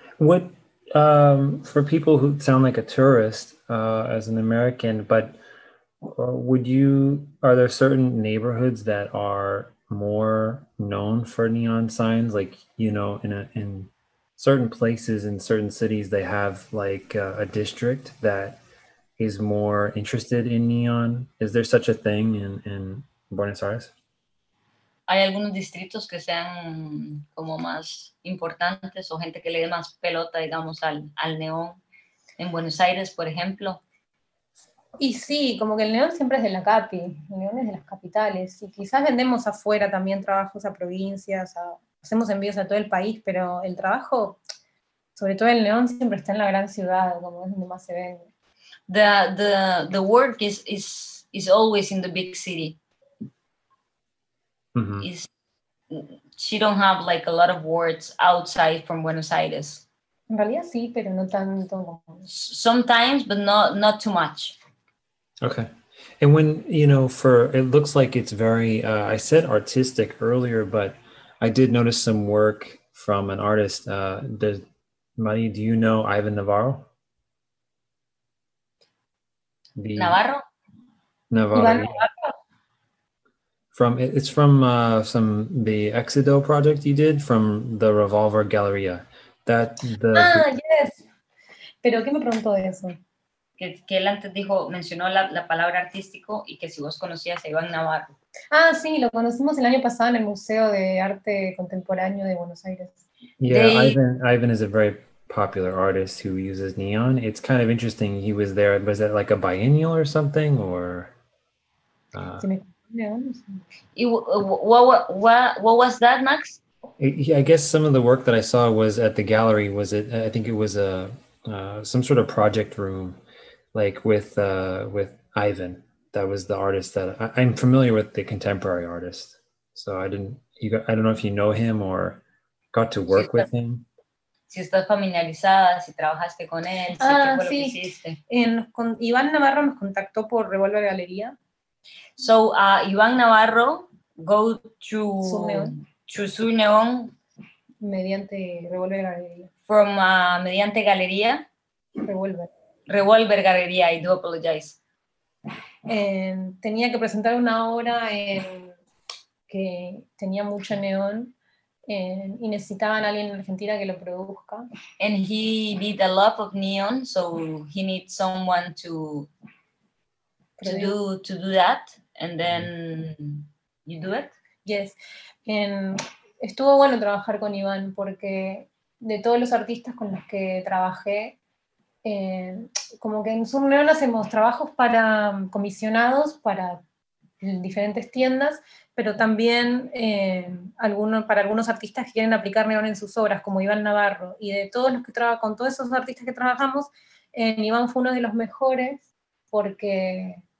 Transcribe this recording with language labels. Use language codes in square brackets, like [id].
[en] What, for people who sound like a tourist, as an American, but would you, are there certain neighborhoods that are more known for neon signs? Like, you know, in certain places, in certain cities, they have like a district that is more interested in neon. Is there such a thing in Buenos Aires? [es] Hay algunos distritos que sean como más importantes o gente que le dé más pelota, digamos, al neón en Buenos Aires, por ejemplo. Y sí, como que el neón siempre es de la capi, el neón es de las capitales. Y quizás vendemos afuera también trabajos a provincias, hacemos envíos a todo el país, pero el trabajo, sobre todo el neón, siempre está en la gran ciudad, como es donde más se vende. [en] The work is always in the big city. Mm-hmm. She don't have like a lot of words outside from Buenos Aires. [es] En realidad sí, pero no tanto. [en] Sometimes, but not too much. Okay. And when, you know, for, it looks like it's very, I said artistic earlier, but I did notice some work from an artist. Mari, do you know Ivan Navarro? Navarro. From some the Exido project you did from the Revolver Galleria. Yes. [es] Pero ¿qué me preguntó de eso? Que él antes dijo, mencionó la palabra artístico y que si vos conocías a Iván Navarro. Ah, sí, lo conocimos el año pasado en el Museo de Arte Contemporáneo de Buenos Aires. [en] Yeah, Ivan is a very popular artist who uses neon. It's kind of interesting. He was there. Was it like a biennial or something? Or what was that, Max? I guess some of the work that I saw was at the gallery. Was it? I think it was a some sort of project room, like with Ivan. That was the artist that I'm familiar with, the contemporary artist. So I didn't. I don't know if you know him or got to work with him. [es] Si estás familiarizada, si trabajaste con él, si qué fue lo que hiciste. Con Iván Navarro nos contactó por Revolver Galería. [en] So, Iván Navarro go to SUR NEÓN [es] mediante Revolver Galería. Mediante Galería. Revolver [en] Galería, I do apologize. [es] Tenía que presentar una obra que tenía mucho neón. Y necesitaban a alguien en Argentina que lo produzca. [en] And he did a lot of neon, so he needs someone to do that, and then you do it. Yes. [es] Estuvo bueno trabajar con Iván porque de todos los artistas con los que trabajé, como que en SUR NEÓN hacemos trabajos para comisionados, para diferentes tiendas, pero también para algunos artistas que quieren aplicar neón en sus obras, como Iván Navarro, y de todos los que trabajan, con todos esos artistas que trabajamos, Iván fue uno de los mejores, porque,